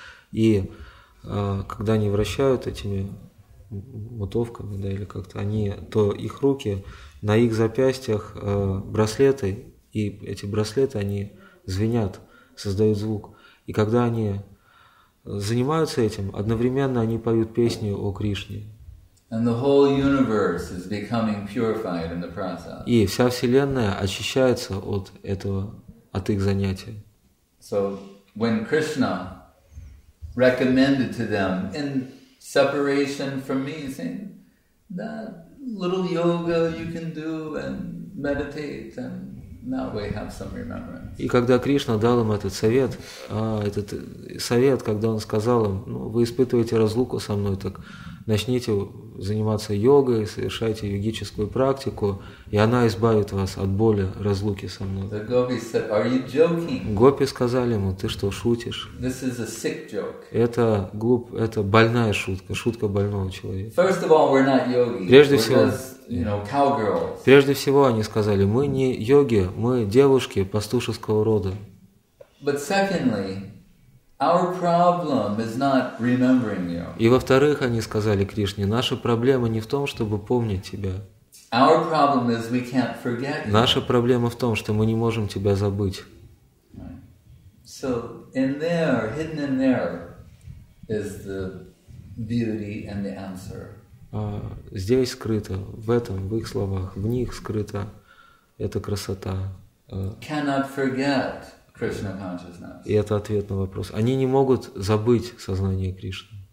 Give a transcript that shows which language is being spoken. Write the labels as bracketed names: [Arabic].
[Russian] И когда они вращают этими мутовками, да, или как-то они, то их руки, на их запястьях браслеты, и эти браслеты, они звенят, создают звук. И когда они занимаются этим, одновременно они поют песни о Кришне. [English] And the whole universe is becoming purified in the process. [Russian] И вся вселенная очищается от этого, от их занятий. [English] So when Krishna recommended to them in separation from me, saying that little yoga you can do and meditate, and now we have some remembrance. [Russian] И когда Кришна дал им этот совет, этот совет, когда он сказал им, ну вы испытываете разлуку со мной, так начните заниматься йогой, совершайте йогическую практику, и она избавит вас от боли разлуки со мной. [English] The gopis said, "Are you joking?" [Russian] Гопи сказали ему, ты что, шутишь? [English] This is a sick joke. [Russian] Это больная шутка, шутка больного человека. [English] First of all, we're not yogis. [Russian] Прежде всего, [English] you know, cowgirls. [Russian] Прежде всего, они сказали, мы не йоги, мы девушки пастушеского рода. [English] But secondly, our problem is not remembering you. [Russian] И во-вторых, они сказали Кришне, наша проблема не в том, чтобы помнить тебя. [English] Our problem is we can't forget you. [Russian] Наша проблема в том, что мы не можем тебя забыть. [English] So in there, hidden in there, is the beauty and the answer. [Russian] Здесь скрыто, в этом, в их словах, в них скрыта эта красота. [English] Cannot forget. Krishna consciousness. [Russian] И это ответ на вопрос. Они не могут забыть сознание Кришны.